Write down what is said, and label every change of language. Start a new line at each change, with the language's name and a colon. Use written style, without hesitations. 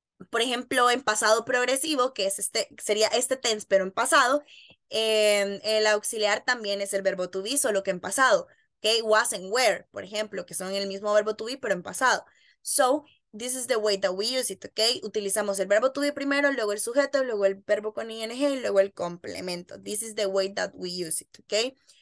Spanish: Por ejemplo, en pasado progresivo, que es este, sería este tense, pero en pasado, el auxiliar también es el verbo to be, solo que en pasado. Okay, was and were, por ejemplo, que son el mismo verbo to be, pero en pasado.
English: So, this is the way that we use it, okay?
Spanish: Utilizamos el verbo to be primero, luego el sujeto, luego el verbo con ing, y luego el complemento.
English: This is the way that we use it, okay?